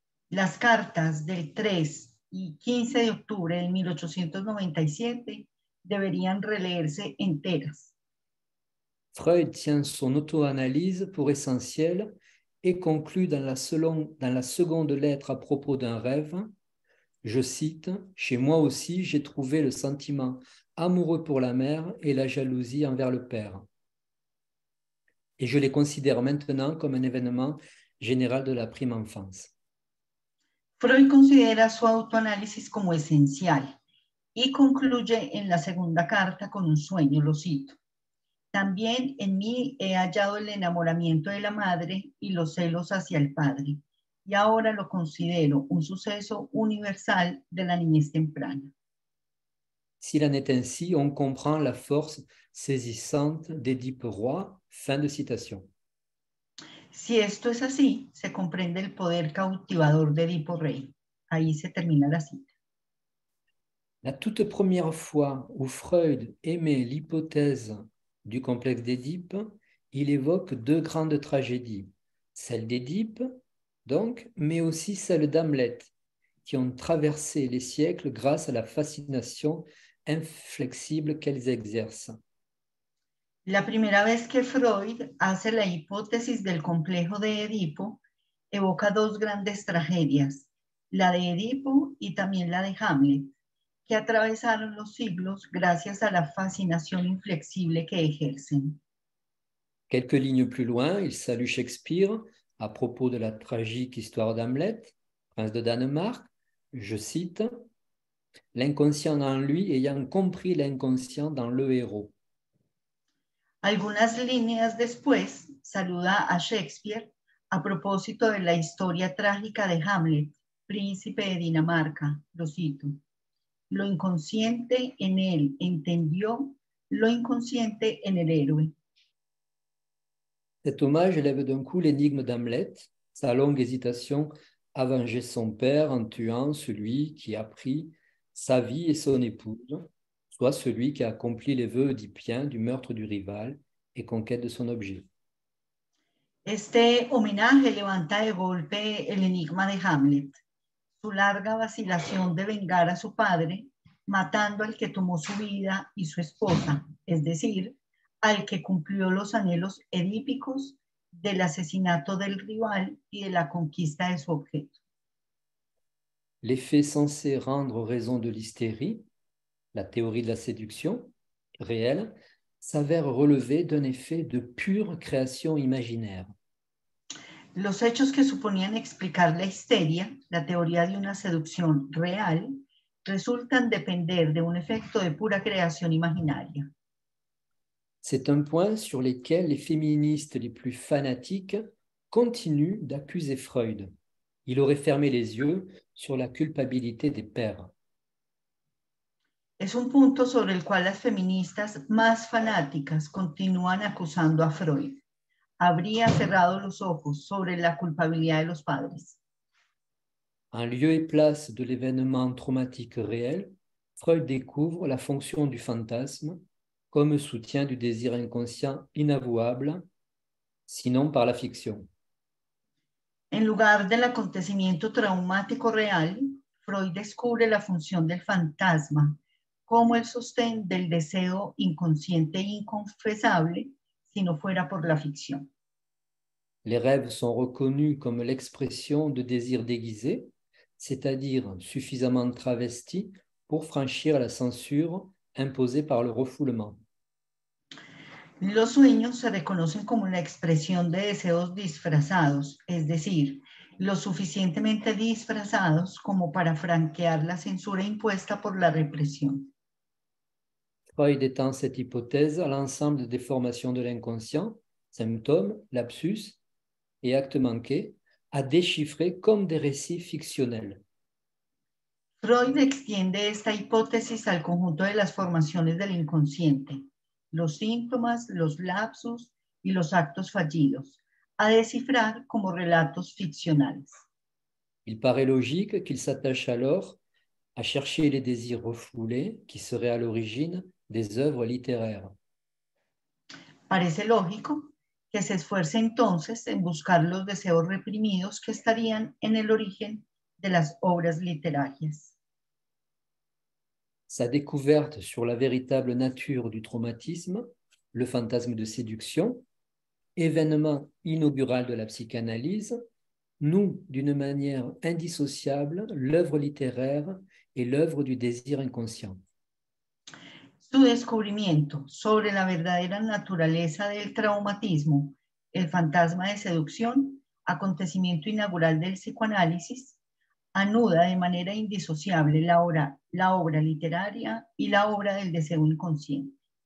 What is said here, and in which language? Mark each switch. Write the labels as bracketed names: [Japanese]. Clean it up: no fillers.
[Spanish] Las cartas del 3 y 15 de octubre de 1897 deberían releerse enteras. [French] Freud tient son auto-analyse pour essentielle et conclut dans la seconde lettre à propos d'un rêve. Je cite, « Chez moi aussi, j'ai trouvé le sentiment amoureux pour la mère et la jalousie envers le père. Et je les considère maintenant comme un événement général de la prime enfance. » Freud considère son auto-analyse comme essentiel et conclut en la seconde carte [Spanish] con un sueño, [French] le cite. [Spanish] « También en mí he hallado el enamoramiento de la madre y los celos hacia el padre. Y ahora lo considero un suceso universal de la niñez temprana. [French] S'il en est ainsi, on comprend la force saisissante d'Édipe Roy. Fin de citation. [Spanish] Si esto es así, se comprende el poder cautivador de Édipo Rey. Ahí se termina la cita. [French] La toute première fois où Freud émet l'hypothèse du complexe d'Édipe, il évoque deux grandes tragédies, celle d'Édipe, donc, mais aussi celle d'Hamlet, qui ont traversé les siècles grâce à la fascination inflexible qu'elles exercent. [Spanish] La primera vez que Freud hace la hipótesis del complejo de Edipo, evoca dos grandes tragedias, la de Edipo y también la de Hamlet, que atravesaron los siglos gracias a la fascinación inflexible que ejercen. [French] Quelques lignes plus loin, il salue Shakespeare à propos de la tragique histoire d'Hamlet, prince de Danemark, je cite, l'inconscient en lui ayant compris l'inconscient dans le héros. [Spanish] Algunas líneas después, saluda a Shakespeare a propósito de la historia trágica de Hamlet, príncipe de Dinamarca, lo cito. Lo inconsciente en él entendió lo inconsciente en el héroe. [French] Cet hommage élève d'un coup l'énigme d'Hamlet, sa longue hésitation à venger son père en tuant celui qui a pris sa vie et son épouse, soit celui qui a accompli les vœux d'Hippien du meurtre du rival et conquête de son objet. [Spanish] Este homenaje levanta de golpe el enigma de Hamlet, su larga vacilación de vengar a su padre, matando al que tomó su vida y su esposa, es decir, al que cumplió los anhelos edípicos del asesinato del rival y de la conquista de su objeto. [French] L'effet censé rendre raison de l'hystérie, la théorie de la séduction réelle, s'avère relevé d'un effet de pure création imaginaire. [Spanish] Los hechos que suponían explicar la histeria, la teoría de una seducción real, resultan depender de un efecto de pura creación imaginaria. [French] C'est un point sur lequel les féministes les plus fanatiques continuent d'accuser Freud. Il aurait fermé les yeux sur la culpabilité des pères. [Spanish] Es un punto sobre el cual las feministas más fanáticas continúan acusando a Freud. Habría cerrado los ojos sobre la culpabilidad de los padres. [French] En lieu et place de l'événement traumatique réel, Freud découvre la fonction du fantasme comme soutien du désir inconscient inavouable, sinon par la fiction. [Spanish] En lugar del acontecimiento traumático real, Freud descubre la función del fantasma como el sostén del deseo inconsciente e inconfesable si no fuera por la ficción. [French] Les rêves sont reconnus comme l'expression de désirs déguisés, c'est-à-dire suffisamment travestis pour franchir la censure imposée par le refoulement. [Spanish] Los sueños se reconocen como la expresión de deseos disfrazados, es decir, lo suficientemente disfrazados como para franquear la censura impuesta por la represión. [French] Freud étend cette hypothèse à l'ensemble des formations de l'inconscient, symptômes, lapsus et actes manqués, à déchiffrer comme des récits fictionnels. [Spanish] Freud extiende esta hipótesis al conjunto de las formaciones del inconsciente, los síntomas, los lapsus y los actos fallidos, a descifrar como relatos ficcionales. [French] Il paraît logique qu'il s'attache alors à chercher les désirs refoulés qui seraient à l'origine des œuvres littéraires. [Spanish] Parece lógico que se esfuerce entonces en buscar los deseos reprimidos que estarían en el origen de las obras literarias. [French] Sa découverte sur la véritable nature du traumatisme, le fantasme de séduction, événement inaugural de la psychanalyse, noue d'une manière indissociable l'œuvre littéraire et l'œuvre du désir inconscient. [Spanish] Su descubrimiento sobre la verdadera naturaleza del traumatismo, el fantasma de seducción, acontecimiento inaugural del psicoanálisis, anuda de manera indisociable la obra literaria y la obra del deseo inconsciente.